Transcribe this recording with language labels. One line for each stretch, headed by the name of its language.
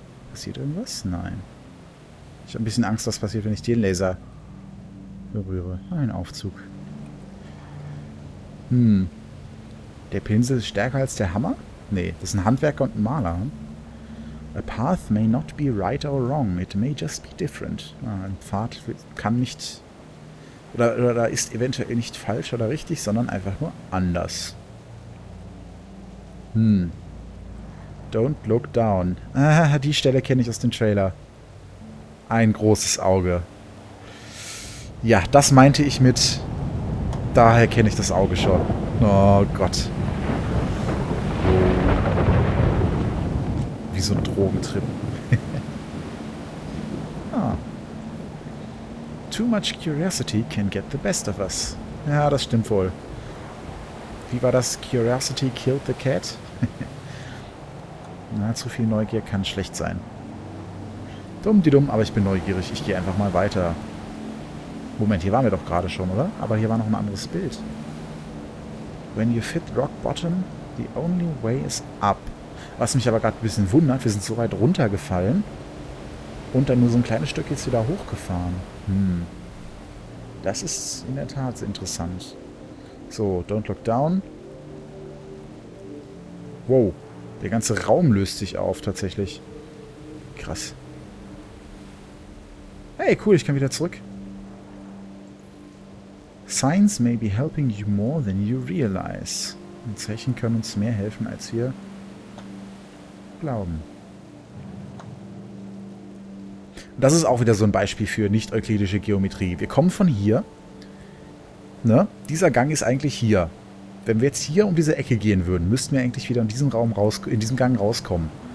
German: Passiert irgendwas? Nein. Ich habe ein bisschen Angst, was passiert, wenn ich den Laser berühre. Ein Aufzug. Hm. Der Pinsel ist stärker als der Hammer? Nee, das ist ein Handwerker und ein Maler.
English: A path may not be right or wrong. It may just be different.
German: Ah, ein Pfad kann nicht... Oder ist eventuell nicht falsch oder richtig, sondern einfach nur anders. Hm.
English: Don't look down.
German: Ah, die Stelle kenne ich aus dem Trailer. Ein großes Auge. Ja, das meinte ich mit... Daher kenne ich das Auge schon. Oh Gott. Wie so ein Drogentrip. Ah.
English: Too much curiosity can get the best of us.
German: Ja, das stimmt wohl. Wie war das?
English: Curiosity killed the cat?
German: Na, zu viel Neugier kann schlecht sein. Dumm-di-dumm, aber ich bin neugierig. Ich gehe einfach mal weiter. Moment, hier waren wir doch gerade schon, oder? Aber hier war noch ein anderes Bild.
English: When you hit rock bottom, the only way is up.
German: Was mich aber gerade ein bisschen wundert, wir sind so weit runtergefallen und dann nur so ein kleines Stück jetzt wieder hochgefahren. Hm. Das ist in der Tat interessant. So,
English: don't look down.
German: Wow, der ganze Raum löst sich auf tatsächlich. Krass. Hey, cool, ich kann wieder zurück.
English: Signs may be helping you more than you realize.
German: Und Zeichen können uns mehr helfen, als wir glauben. Das ist auch wieder so ein Beispiel für nicht-euklidische Geometrie. Wir kommen von hier. Ne? Dieser Gang ist eigentlich hier. Wenn wir jetzt hier um diese Ecke gehen würden, müssten wir eigentlich wieder in diesen Raum raus, in diesem Gang rauskommen.